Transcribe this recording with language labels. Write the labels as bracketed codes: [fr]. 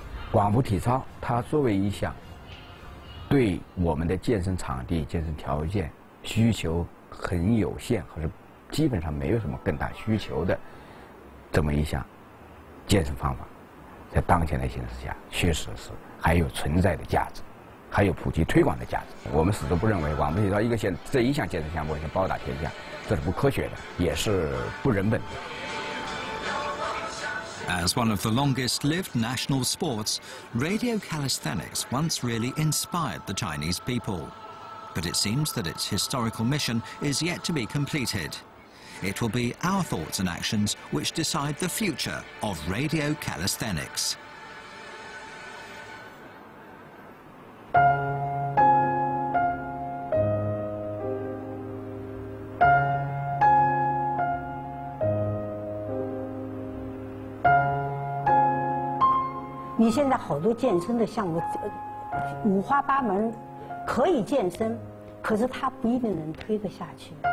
[zh] 广播体操它作为一项对我们的健身场地、健身条件需求很有限，或者基本上没有什么更大需求的这么一项健身方法。在当前的形势下，确实是还有存在的价值，还有普及推广的价值。我们始终不认为广播体操这一项健身项目是包打天下，这是不科学的，也是不人本的。 [en] As one of the longest-lived national sports, radio calisthenics once really inspired the Chinese people, but it seems that its historical mission is yet to be completed. It will be our thoughts and actions which decide the future of radio calisthenics. You [zh] 现在好多健身的项目，五花八门，可以健身，可是它不一定能推得下去。